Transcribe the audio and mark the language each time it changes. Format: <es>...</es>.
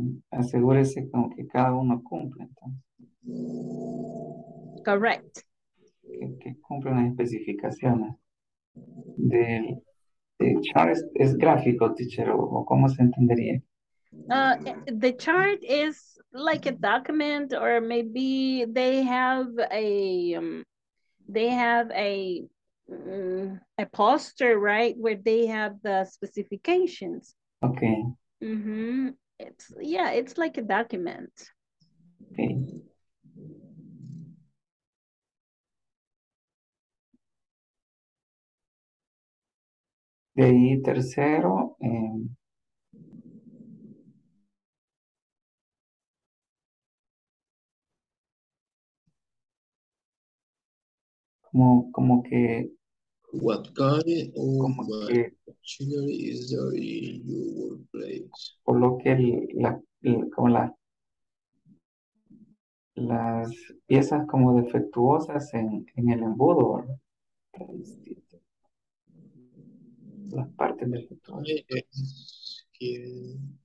<es>Asegúrese con que cada uno cumple, entonces.</es> <en>Correct.</en> <es>Que cumple las especificaciones. De chart es gráfico, teacher, o cómo se entendería.</es> <en>The chart is like a document, or maybe they have a poster, right, where they have the specifications. Okay. Mm-hmm. It's like a document. Okay.</en> <es>De ahí tercero. Como que</es> <en>what kind of machinery is there in your workplace?</en> <es>Coloque las piezas como defectuosas en el embudo, las partes defectuosas.</es>